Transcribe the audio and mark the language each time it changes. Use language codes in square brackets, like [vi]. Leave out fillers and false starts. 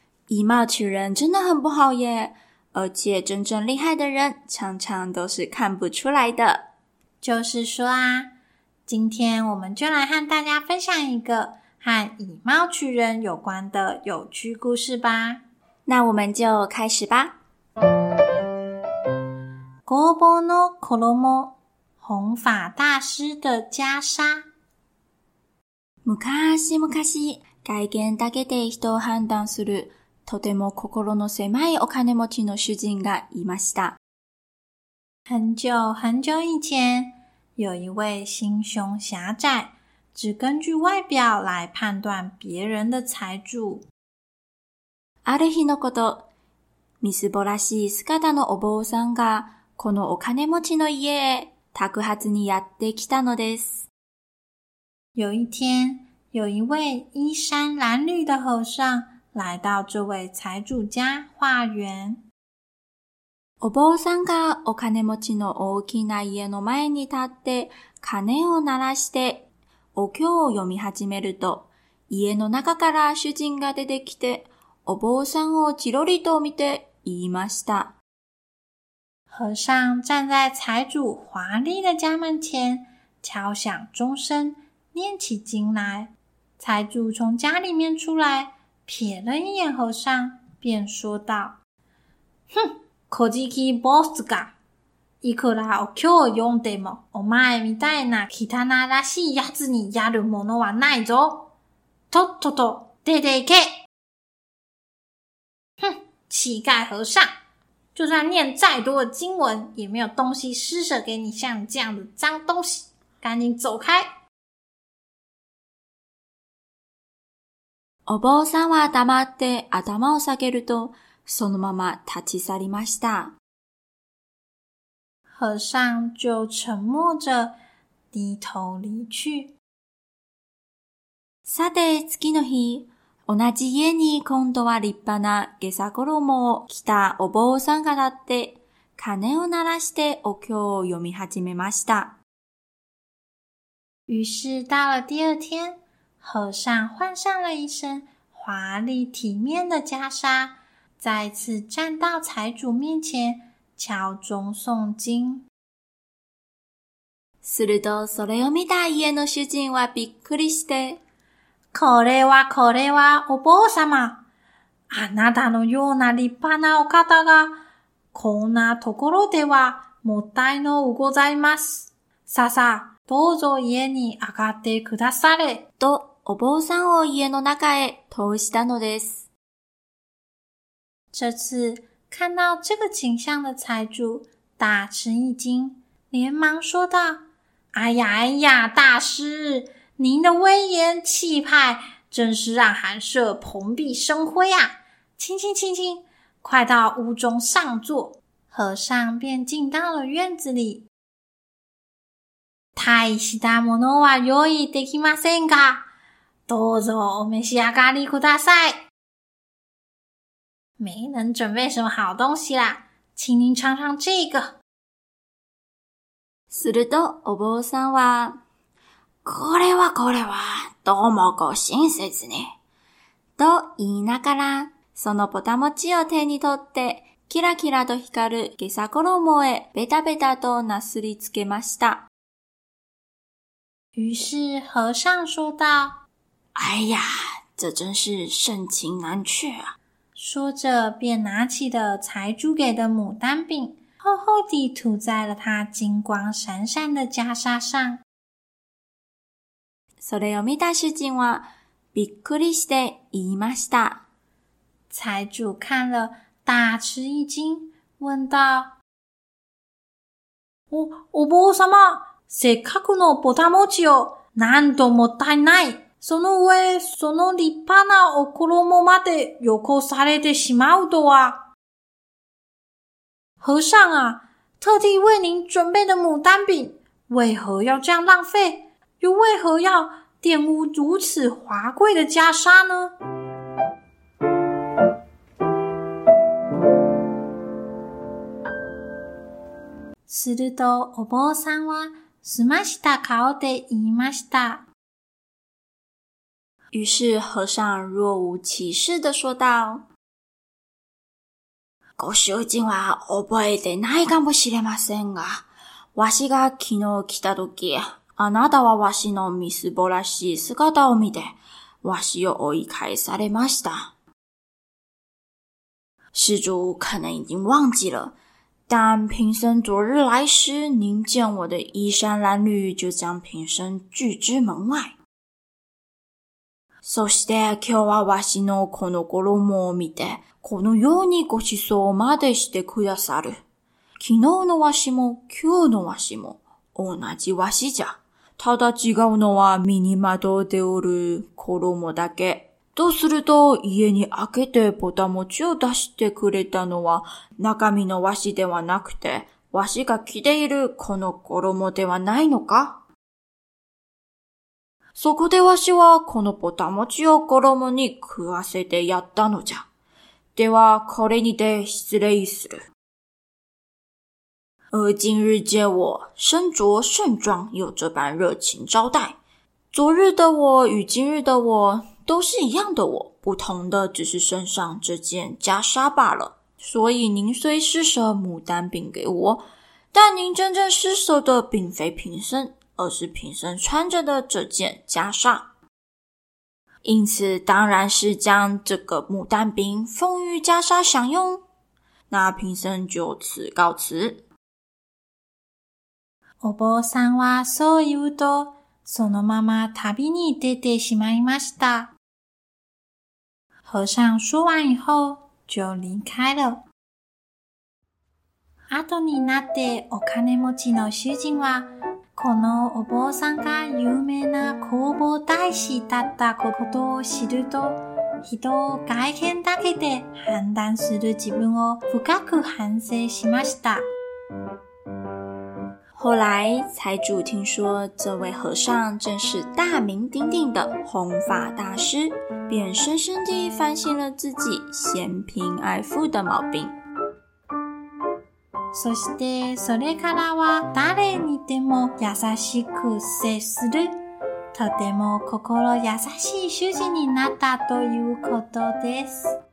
[zh] 以貌取人真的很不好耶，而且真正厉害的人常常都是看不出来的。就是说啊，今天我们就来和大家分享一个和以貌取人有关的有趣故事吧。那我们就开始吧。 [ja] ごぼうの衣、 [zh] 弘法大师的袈裟。 [ja] むかしむかし、外見だけで人を判断するとても心の狭いお金持ちの主人がいました。 [zh] 很久很久以前，有一位心胸狭窄、只根据外表来判断别人的财主。 [ja] ある日のこと、みすぼらしい姿のお坊さんがこのお金持ちの家へ宅発にやってきたのです。 [zh] 有一天、有一位衣衫褴褛的和尚来到这位财主家化缘。 [ja] お坊さんがお金持ちの大きな家の前に立って鐘を鳴らしてお経を読み始めると、家の中から主人が出てきてお坊さんをチロリと見て言いました。 [zh] 和尚站在财主华丽的家门前，敲响钟声，念起经来。财主从家里面出来，瞥了一眼和尚，便说道：哼， [ja] こじきぼうすか。いくらお経を読んでも、お前みたいな汚らしいやつにやるものはないぞ。とっとと、出ていけ。 [zh] 哼，乞丐和尚。就算念再多的经文，也没有东西施舍给你，像这样的脏东西，赶紧走开。 [ja] お坊さんは黙って頭を下げると、そのまま立ち去りました。 [zh] 和尚就沉默着低头离去。 [ja] さて、次の日。同じ家に今度は立派な袈裟衣を着たお坊さんが立って、鐘を鳴らしてお経を読み始めました。 [zh] 于是到了第二天、和尚换上了一身华丽体面的袈裟、再次站到财主面前、敲钟诵经。 [ja] するとそれを見た家の主人はびっくりして、これはこれはお坊様、あなたのような立派なお方がこんなところではもったいのうございます。さあさあ、どうぞ家に上がってくだされ、とお坊さんを家の中へ通したのです。 [zh] 这次看到这个景象的财主大吃一惊，连忙说道：哎呀哎呀，大师，您的威严气派真是让寒舍蓬荜生辉啊。请请请请，快到屋中上座。和尚便进到了院子里。 [ja] 大したものは用意できませんか？どうぞお召し上がりください。 [zh] 没能准备什么好东西啦，请您尝尝这个。 [ja] するとお坊さんは、これはこれは、どうもご親切ね。と言いながら、そのポタ餅を手に取って、キラキラと光る袈裟衣へベタベタとなすりつけました。 [zh] 于是和尚说道： 哎呀，这真是盛情难却啊。说着便拿起了财主给的牡丹饼，厚厚地涂在了他金光闪闪的袈裟上。 [ja] それを見た主人はびっくりして言いました。 [zh] 財主看了大吃一惊、問道： [ja] お坊様、せっかくのぼた餅を何ともったいない。その上、その立派なお衣までよこされてしまうとは。 [zh] 和尚啊、特地为您准备的牡丹饼、为何要这样浪费？又为何要玷污如此华贵的袈裟呢？ [ja] するとお坊さんは澄ました顔で言いました。 [zh] 于是和尚若无其事地说道： [ja] ご主人は覚えてないかもしれませんが、わしが昨日来た時、あなたはわしのみすぼらしい姿を見て、わしを追い返されました。 [zh] 施主可能已经忘记了，但贫僧昨日来时，您见我的衣衫褴褛，就将贫僧拒之门外。 [ja] そして今日はわしのこの衣を見て、このようにご馳走までしてくださる。昨日のわしも今日のわしも同じわしじゃ。ただ違うのは身にまとっておる衣だけ。とすると家に開けてぼた餅を出してくれたのは中身のわしではなくて、わしが着ているこの衣ではないのか？そこでわしはこのぼた餅を衣に食わせてやったのじゃ。ではこれにて失礼する。 [zh] 而今日见我身着盛装，又这般热情招待，昨日的我与今日的我都是一样的我，不同的只是身上这件袈裟罢了。所以您虽施舍牡丹饼给我，但您真正施舍的并非贫僧，而是贫僧穿着的这件袈裟。因此当然是将这个牡丹饼奉于袈裟享用。那贫僧就此告辞。 [ja] お坊さんはそう言うと、そのまま旅に出てしまいました。 [zh] 和尚说完以后、就离开了。 [ja] 後になってお金持ちの主人は、このお坊さんが有名な弘法大師だったことを知ると、人を外見だけで判断する自分を深く反省しました。 [zh] 后来财主听说这位和尚正是大名鼎鼎的弘法大师，便深深地反省了自己嫌贫爱富的毛病。 [ja] そしてそれからは誰にでも優しく接する、とても心優しい主人になったということです。